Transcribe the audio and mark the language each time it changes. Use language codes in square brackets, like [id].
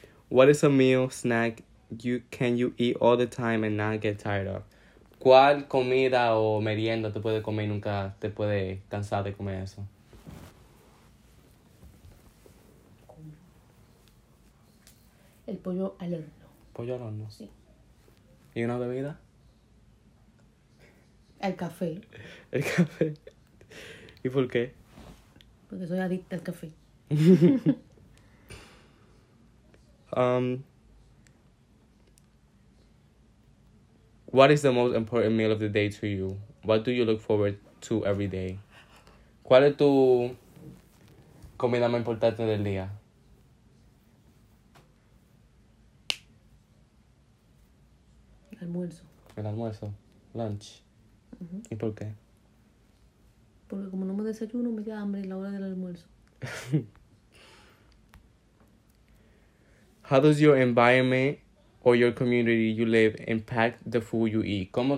[en] What is a meal snack you can you eat all the time and not get tired of? [es] ¿Cuál comida o merienda te puede comer y nunca te puede cansar de comer eso? El pollo al horno. ¿Pollo al horno? Sí. ¿Y una bebida? El café. ¿El café? ¿Y por qué? Porque soy adicta al café. [en] What is the most important meal of the day to you? What do you look forward to every day? [es] ¿Cuál es tu comida más importante del día? El almuerzo. [en] Lunch. [es] Uh-huh. ¿Y por qué? Porque como no me desayuno, me da hambre a la hora del almuerzo. [en] How does your environment or your community you live impact the food you eat?